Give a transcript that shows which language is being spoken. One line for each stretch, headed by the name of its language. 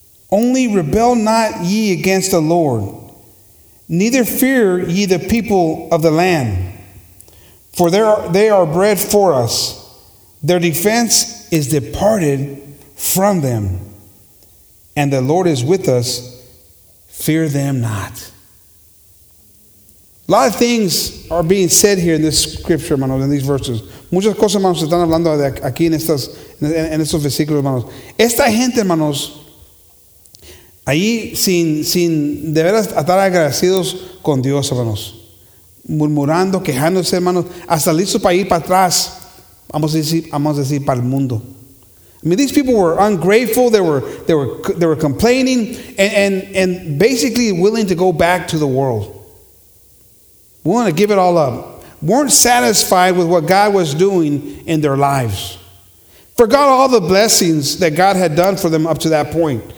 English: Only rebel not ye against the Lord, neither fear ye the people of the land, for they are bread for us. Their defense is departed from them, and the Lord is with us. Fear them not. A lot of things are being said here in this scripture, hermanos, in these verses.
Spanish: Muchas cosas, hermanos, se están hablando aquí en estos versículos, hermanos. Esta gente, hermanos, ahí sin de veras estar agradecidos con Dios, hermanos. Murmurando, quejándose, hermanos, hasta listos para ir para atrás. Vamos a decir, para el mundo.
English: I mean, these people were ungrateful. They were complaining and basically willing to go back to the world. Willing to give it all up. Weren't satisfied with what God was doing in their lives. Forgot all the blessings that God had done for them up to that point.